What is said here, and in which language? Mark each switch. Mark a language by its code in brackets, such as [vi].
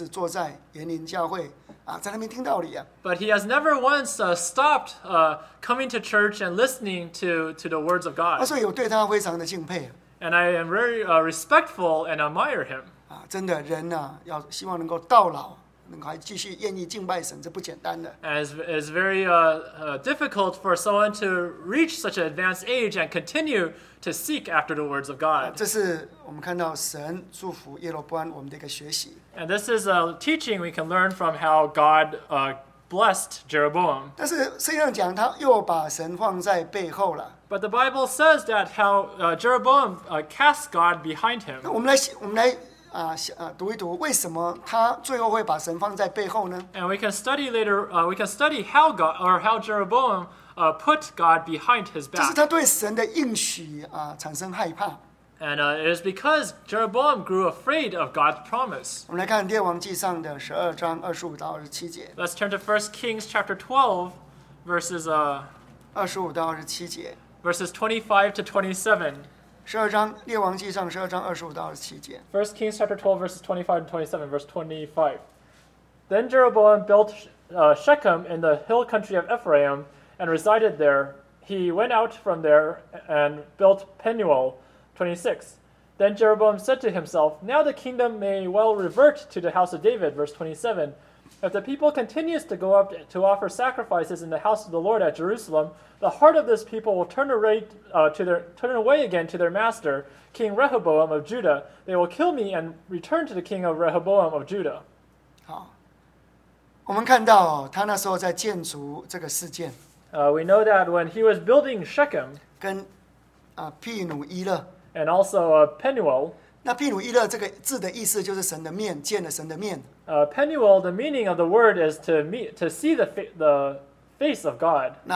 [zh] 但是他从来没有间断，就是坐在园林教会，在那边听道理。But [en] he has never once stopped coming to church and listening to the words of God. [zh] 所以我对他非常的敬佩。And [en] I am very respectful and admire him. [zh] 真的，人要希望能够到老。能够还继续愿意敬拜神，这不简单的。 [en] It's very difficult for someone to reach such an advanced age and continue to seek after the words of God. [zh] 这是我们看到神祝福耶罗波安我们的一个学习。 [en] And this is a teaching we can learn from how God blessed Jeroboam. [zh] 但是圣经上讲他又把神放在背后了。 [en] But the Bible says that how Jeroboam cast God behind him. [zh] 那我们来。读一读，为什么他最后会把神放在背后呢？ [en] And we can study later. We can study how God or how Jeroboam put God behind his back. [zh] 这是他对神的应许产生害怕。And [en] it is because Jeroboam grew afraid of God's promise. [zh] 我们来看列王记上的12章25到27节。 [en] Let's turn to 1 Kings chapter 12, verses [zh] 25到27节。 [en] Verses 25 to 27. [zh] 12章列王记上12章25到27节。 [en] 1 Kings chapter 12 verses 25 and 27 verse 25. Then Jeroboam built Shechem in the hill country of Ephraim and resided there. He went out from there and built Penuel. 26. Then Jeroboam said to himself, "Now the kingdom may well revert to the house of David." Verse 27. If the people continues to go up to offer sacrifices in the house of the Lord at Jerusalem, the heart of this people will turn away again to their master, King Rehoboam of Judah. They will kill me and return to the king of Rehoboam of Judah. [zh] 好，我们看到他那时候在建筑这个事件。 [en] We know that when he was building Shechem, [zh] 跟庇努伊勒， [en] and also Penuel. [zh] 那庇努伊勒这个字的意思就是神的面，见了神的面。 [en] Penuel, the meaning of the word is to see the face of God.